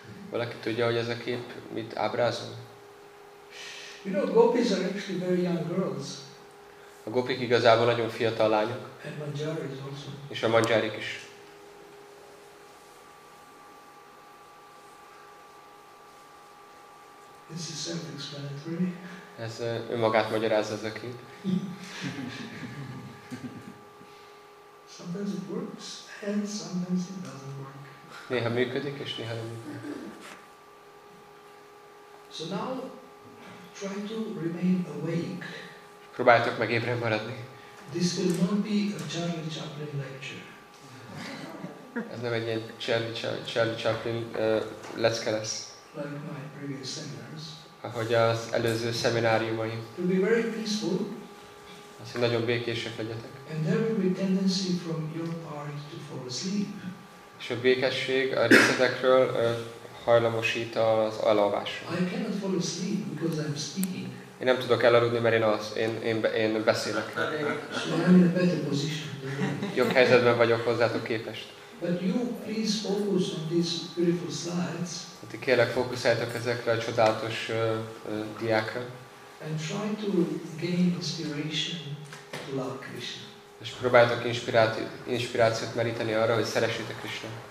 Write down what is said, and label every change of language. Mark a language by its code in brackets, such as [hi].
[hu] Valaki tudja, hogy ez a kép mit ábrázol? [en] You know, gopis are actually very young girls. [hu] A gopik igazából nagyon fiatal lányok. [en] And manjaris also. [hu] És a manjarik is. [en] This is self-explanatory. [hu] Ez önmagát magyarázza ez a kép. [en] Sometimes it works and sometimes it doesn't work. [hu] Néha működik és néha nem működik. [en] So now try to remain awake. [hu] Próbáljátok meg ébren maradni. [en] This will not be a Charlie Chaplin lecture. [hu] Ez nem egy ilyen Charlie Chaplin lecke lesz. [en] Like my previous seminars. [hu] Ahogy az előző szemináriumaim. [en] To be very peaceful. [hu] Azt, hogy nagyon békések legyetek. [en] And there will be tendency from your part to fall asleep. [hu] És a békesség a részedekről hajlamosít az alvásra. [en] I cannot fall asleep because I'm speaking. [hu] Én nem tudok elaludni, mert én beszélek. [en] So I'm in a better position. [hu] Jobb helyzetben vagyok hozzátok képest. [en] But you please focus on these beautiful slides. [hu] Ti kérlek fókuszáljatok ezekre a csodálatos diákra. [en] And try to gain inspiration to love Krishna. [hu] És próbáljatok inspirációt meríteni arra, hogy szeressétek Krishna.